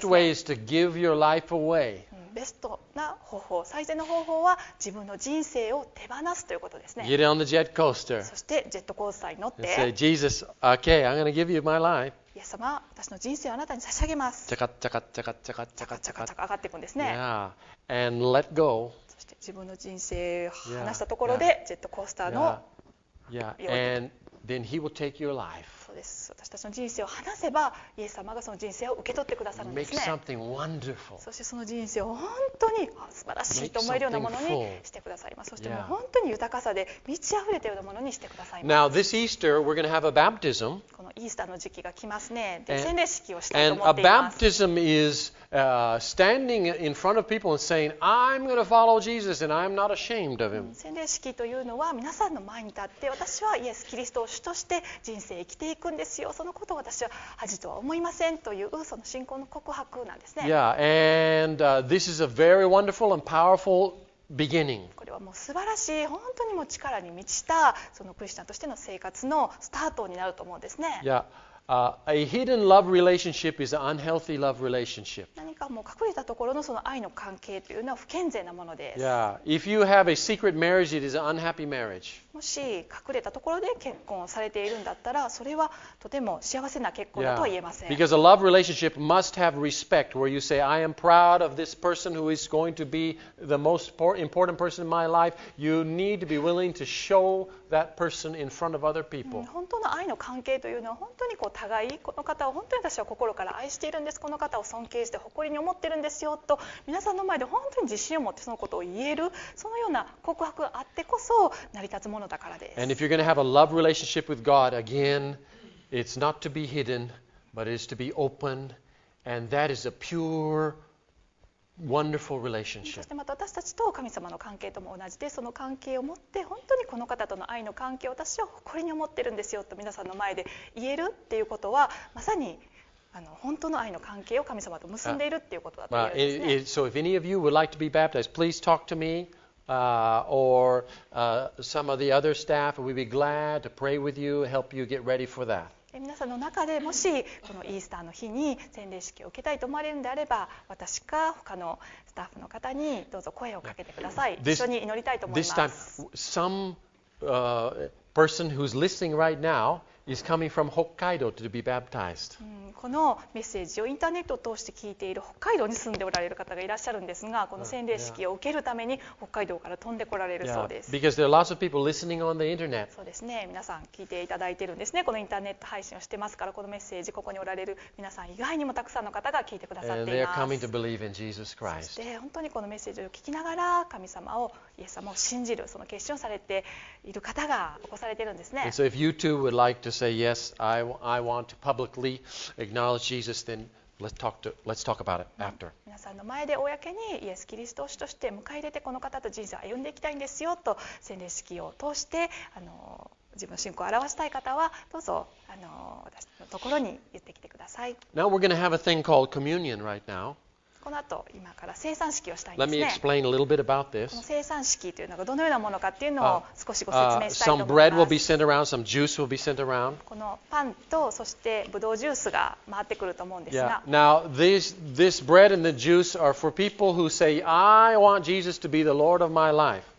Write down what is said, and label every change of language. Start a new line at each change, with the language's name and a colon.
Japanese: ね。
English: The best way is to give your life away.
Japanese: ベストな方法、最善の方法は自分の人生を手放すということですね。
English: Get on the jet coaster.
Japanese: そしてジェットコースターに乗って。
English: And say, Jesus, okay, I'm gonna give you my life.
Japanese: イエス様、私の人生をあなたに差し上げます。チャカッチャカッチャカッチャカッチャカッチャカッチャカ上がっていくんですね。
English: Yeah. And let go.
Japanese: そして自分の人生を離したところで、ジェットコースターの。
English: Yeah. And then He will take your life.
Japanese: そうです。私たちの人生を離せば、イエス様がその人生を受け取ってくださるんですね。
English: Make something wonderful.
Japanese: そしてその人生を本当に素晴らしいと思えるようなものにしてくださいます。そしてもう本当に豊かさで満ち溢れているようなものにしてくださいます。
English: Now this Easter we're going to have a baptism.
Japanese: このイースターの時期が来ますね。で、洗礼式をしたいと思っています。
English: And a baptism is standing in front of people and saying, I'm going to follow Jesus and I'm not ashamed of him.
Japanese: 洗礼式というのは皆さんの前に立って私はイエス・キリストを主として人生生きていくんですよ。そのことを私は恥とは思いませんというその信仰の告白なんですね。
English: Yeah, and this is a very wonderful and powerful beginning.
Japanese: これはもう素晴らしい、本当にもう力に満ちたそのクリスチャンとしての生活のスタートになると思うんですね。
English: Yeah, a hidden love relationship is an unhealthy love relationship.
Japanese: 何かもう隠れたところのその愛の関係というのは不健全なものです。
English: Yeah, if you have a secret marriage, it is an unhappy marriage.
Japanese: もし隠れたところで結婚をされているんだったらそれはとても幸せな結婚だとは言えません。
English: Yeah, because a love relationship must have respect where you say I am proud of this person who is going to be the most important person in my life. You need to be willing to show that person in front of other people.
Japanese: 本当の愛の関係というのは本当にこう互いこの方を本当に私は心から愛しているんです、この方を尊敬して誇りに思っているんですよと皆さんの前で本当に自信を持ってそのことを言える、そのような告白があってこそ成り立つものだからです。
English: And if you're going to have a love relationship with God again, it's not to be hidden, but it is to be open, and that is a pure, wonderful relationship.
Japanese: そしてまた私たちと神様の関係とも同じで、その関係を持って本当にこの方との愛の関係を私は誇りに思ってるんですよと皆さんの前で言えるっていうことはまさに本当の愛の関係を神様と結んでいるっていうことだと言えるんですね。
English: So if any of you would like to be baptized, please talk to me. or some of the other staff, we'd be glad to pray with you, help you get ready for that.
Japanese: 皆さんの中でもしこのイースターの日に洗礼式を受けたいと思われるのであれば、私か他のスタッフの方にどうぞ声をかけてください。一緒に祈りたいと思います。
English: This time, some person who's listening right now is coming from Hokkaido to be baptized.
Japanese: このメッセージをインターネットを通して聞いている北海道に住んでおられる方がいらっしゃるんですが、この洗礼式を受けるために北海道から飛んでこられるそうです。
English: Yeah, because there are lots of people listening on the internet.
Japanese: そうですね。皆さん聞いていただいてるんですね。このインターネット配信をしてますから、このメッセージここにおられる皆さん以外にもたくさんの方が聞いてくださっています。
English: And they are coming to believe in Jesus Christ.
Japanese: そして本当にこのメッセージを聞きながら神様をイエス様を信じるその決心をされている方が起こされているんですね。
English: And so if you too would like to say yes, I want to publicly acknowledge Jesus, then let's talk about it after.
Japanese: 皆さんの前で公にイエス・キリストを主として迎え入れて、この方と人生を歩んでいきたいんですよと洗礼式を通して自分の信仰を表したい方はどうぞ私のところに言ってきてください。
English: Now we're going to have a thing called communion right now.
Japanese: この後今から聖餐式をしたいんですね。
English: Let me explain a little bit about this.
Japanese: この聖餐式というのがどのようなものかっていうのを少しご説明したいと思います。
English: Some bread will be sent around, some juice will be sent around.
Japanese: このパンとそしてブドウジュースが回ってくると思うんですが、
English: Now this bread and the juice are for people who say, I want Jesus to be the Lord of my life.